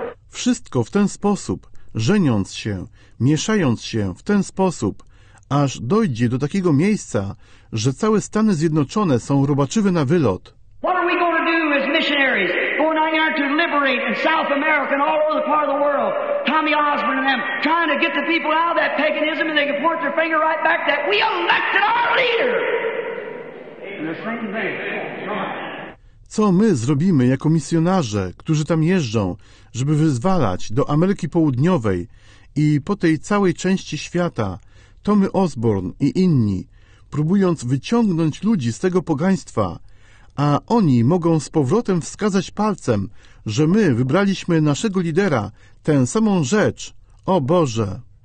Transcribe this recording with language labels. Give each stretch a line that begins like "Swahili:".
Polish: Wszystko w ten sposób, żeniąc się, mieszając się w ten sposób, aż dojdzie do takiego miejsca, że całe Stany Zjednoczone są robaczywe na wylot.
English: What are we going to do as missionaries? Going out there to liberate in South America and all over the part of the world. Tommy Osborne and them trying to get the people out of that paganism and they can point their finger right back that we elected our leader.
Polish: Co my zrobimy jako misjonarze, którzy tam jeżdżą, żeby wyzwalać do Ameryki Południowej i po tej całej części świata, Tommy Osborne i inni, próbując wyciągnąć ludzi z tego pogaństwa, a oni mogą z powrotem wskazać palcem, że my wybraliśmy naszego lidera, tę samą rzecz. O Boże!